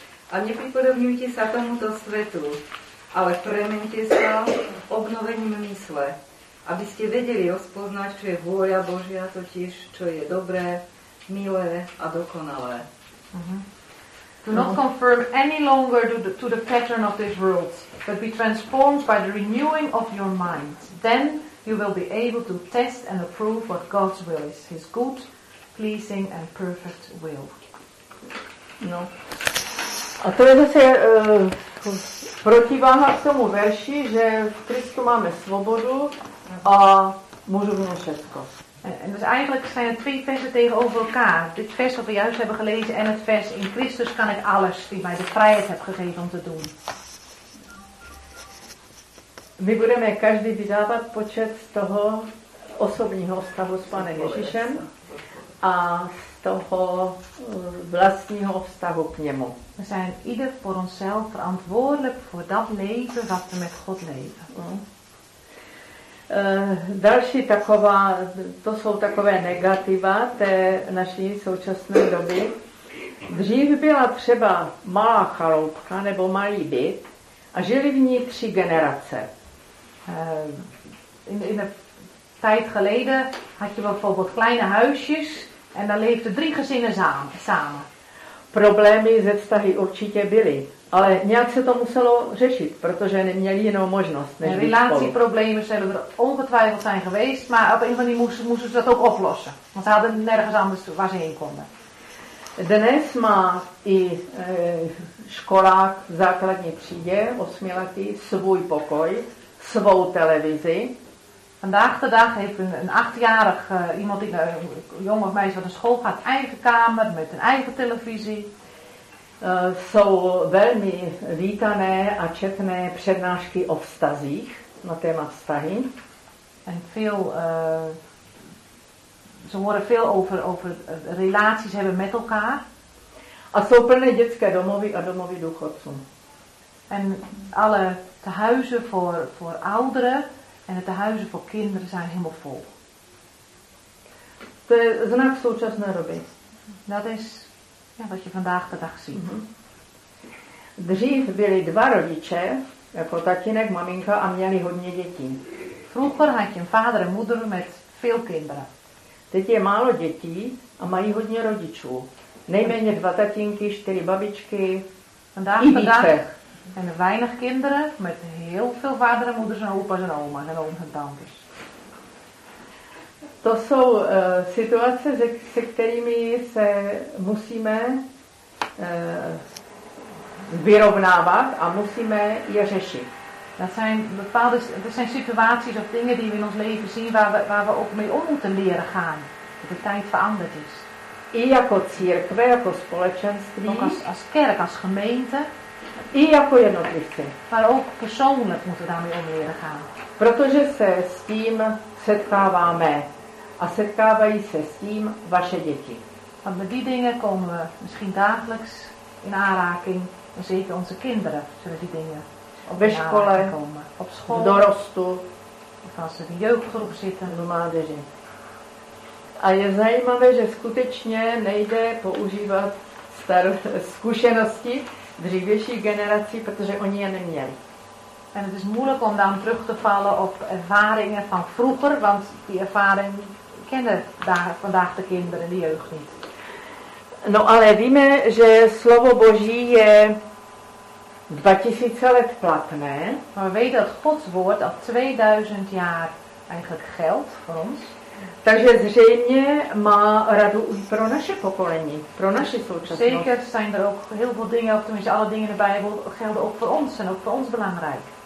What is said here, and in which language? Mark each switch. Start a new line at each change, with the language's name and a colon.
Czech: A nepřipodobňujte se tomuto světu, ale proměňte se obnovením mysle, abyste věděli rozpoznat, co je vůle Boží, a totiž, co je dobré, milé a dokonalé.
English: Do not conform any longer to the pattern of this world, but be transformed by the renewing of your mind. Then you will be able to test and approve what God's will is, His good, pleasing and perfect will.
Czech: No. A to je zase protiváha k tomu verši, že v Kristu máme svobodu a můžu mít všechno.
Dutch: En dus eigenlijk zijn er twee versen tegenover elkaar. Dit vers wat we juist hebben gelezen en het vers in Christus kan ik alles die mij de vrijheid heeft gegeven om te doen.
Czech: My budeme každý vydávat počet z toho osobního vztahu s Panem Ježíšem a z toho vlastního vztahu k němu.
Dutch: We zijn ieder voor onszelf verantwoordelijk voor dat leven wat we met God leven.
Czech: Další taková, to jsou takové negativa té naší současné doby. Dřív byla třeba malá chaloupka nebo malý byt a žili v ní tři generace.
Dutch: In een tijd geleden had je bijvoorbeeld kleine huisjes en daar leefden drie gezinnen samen.
Czech: Problémy ze vztahy určitě byly. Ale nějak se to muselo řešit, protože neměli jinou možnost než být spolu.
Dutch: Relatieproblemen zijn er ongetwijfeld zijn geweest, maar op een of andere manier moesten ze dat ook oplossen. Want ze hadden nergens anders waar ze heen konden.
Czech: Dnes má i školák v základní třídě, osmiletý, svůj pokoj, svou televizi.
Dutch: Vandaag de dag heeft een achtjarig iemand, een jong of meisje wat naar school gaat, eigen kamer met een eigen televisie.
Czech: Jsou velmi vítané a četné přednášky o vztazích na téma vztahy.
Dutch: And veel ze horen veel over relaties hebben met elkaar.
Czech: A jsou plné dětské domovy a domovy důchodců.
Dutch: En alle tehuizen voor ouderen en de tehuizen voor kinderen zijn helemaal vol.
Czech: To je znak současné doby.
Dutch: Dat is wat je vandaag de dag ziet.
Czech: Dřív byli dva rodiče, jako tatínek, maminka, a měli hodně dětí.
German: Früher hatten Vater und Mutter mit viel Kinder.
Czech: Teď je málo dětí a mají hodně rodičů. Nejméně dva tatínky, čtyři babičky i více.
Dutch: En weinig kinderen met heel veel vader en moeders en opa's en oma's en ooms en tantes.
Czech: To jsou situace, se kterými se musíme vyrovnávat a musíme je řešit.
Dutch: Dat zijn situaties of dingen die we in ons leven zien waar we ook mee om moeten leren gaan. Dat de tijd veranderd is.
Czech: I jako církve, jako společenství.
Dutch: Ook als kerk, als gemeente.
Czech: I jako jednotlivci.
Dutch: Maar ook persoonlijk moeten we daarmee om leren gaan.
Czech: Protože se s tím setkáváme a setkávají se s tím vaše děti.
Dutch: Want met die dingen komen we misschien dagelijks in aanraking. En zeker onze kinderen zullen die dingen
Czech: ve škole,
Dutch: op school,
Czech: v dorostu,
Dutch: v jeugdgroep zitten,
Czech: do mládeže. A je zajímavé, že skutečně nejde používat zkušenosti dřívějších generací, protože oni je neměli.
Dutch: En het is moeilijk om dan terug te vallen op ervaringen van vroeger, want die ervaring kennen vandaag de kinderen, de jeugd niet.
Czech: No ale víme, že slovo Boží je 2000 let platné.
Dutch: Maar we weten dat Gods woord al 2000 jaar eigenlijk geldt voor ons.
Czech: Takže zřejmě má radu pro naše pokolení, pro naše současnost.
Dutch: Zeker zijn er ook heel veel dingen, of tenminste alle dingen in de Bijbel, gelden ook voor ons en ook voor ons belangrijk.